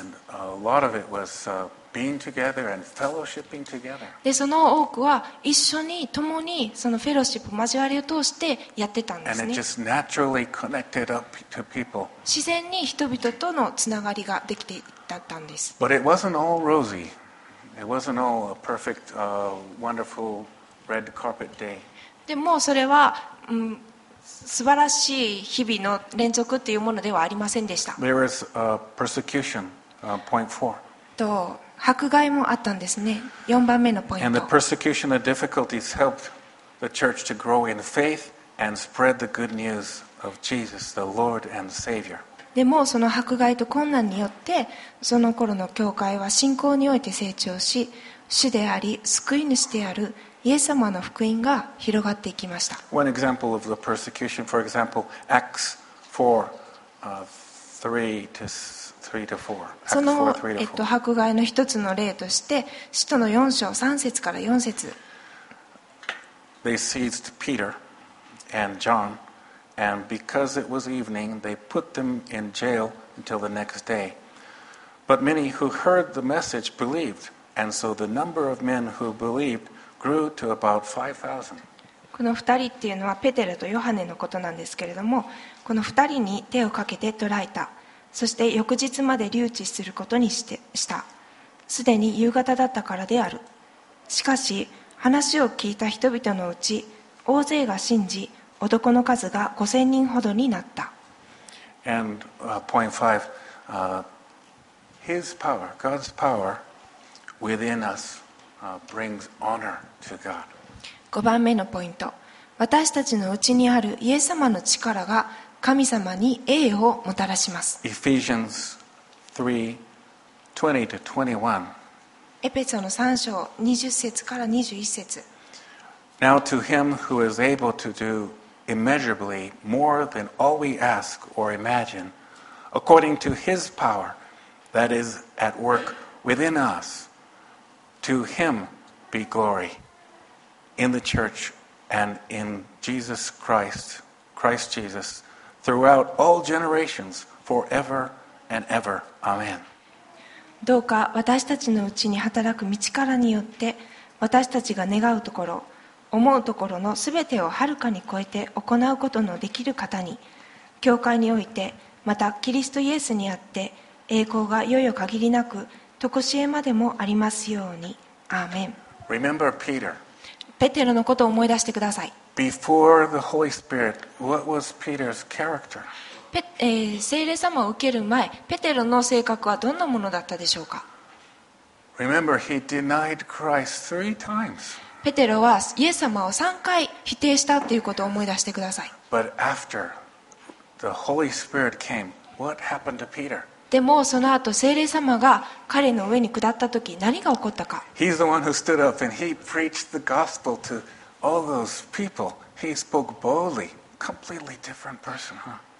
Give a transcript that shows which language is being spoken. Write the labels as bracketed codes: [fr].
[en] and a lot of it was,Being together and fellowshipping together. [ja] でその多くは一緒に共にそのフェローシップ交わりを通してやってたんですね。 [en] And it just naturally connected up to people. [ja] 自然に人々とのつながりができていったんです。 [en] But it wasn't all rosy. It wasn't all a perfect, wonderful red carpet day. [ja] でもそれは、素晴らしい日々の連続というものではありませんでした。 [en] There was a persecution, point four. [ja] と迫害もあったんですね。 4番目のポイント。 [en] And the persecution and difficulties helped the church to grow in faith and spread the good news of Jesus, the Lord and Savior. [ja] でもその迫害と困難によって、その頃の教会は信仰において成長し、主であり救い主であるイエス様の福音が広がっていきました。 [en] One example of the persecution, for example, Acts 4, 3 to 4. [ja] その迫害の一つの例として、使徒の4章3節から4節。 [en] They seized Peter and John, and because it was evening, they put them in jail until the next day. But many who heard the message believed, and so the number of men who believed grew to about 5,000. [ja] この2人っていうのはペテロとヨハネのことなんですけれども、この2人に手をかけて捕らえた。そして翌日まで留置することにしてした。すでに夕方だったからである。しかし話を聞いた人々のうち大勢が信じ、男の数が5000人ほどになった。 [en] And point five, His power, God's power within us brings honor to God. [ja] 5番目のポイント、私たちのうちにあるイエス様の力が神様に栄誉をもたらします。 [en] Ephesians 3:20-21. [ja] エペソの3章20節から21節。 [en] Now to him who is able to do immeasurably more than all we ask or imagine, according to his power that is at work within us, to him be glory in the church and in Jesus Christ, Christ Jesus, throughout all generations, forever and ever. Amen. [ja] どうか私たちのうちに働く御力によって、私たちが願うところ思うところのすべてをはるかに超えて行うことのできる方に、教会においてまたキリストイエスにあって栄光がよよ限りなくとこしえまでもありますように。アーメン。 [en] Remember Peter. [ja] ペテロのことを思い出してください。 [en] Before the Holy Spirit, what was Peter's character? [ja] 聖霊様を受ける前、ペテロの性格はどんなものだったでしょうか。 [en] Remember, he denied Christ three times. [ja] ペテロはイエス様を3回否定したということを思い出してください。 [en] But after the Holy Spirit came, what happened to Peter? [ja] でもその後聖霊様が彼の上に下った時、何が起こったか。 [en] He's the one who stood up and he preached the gospel to all those people. He spoke boldly, completely different person, huh?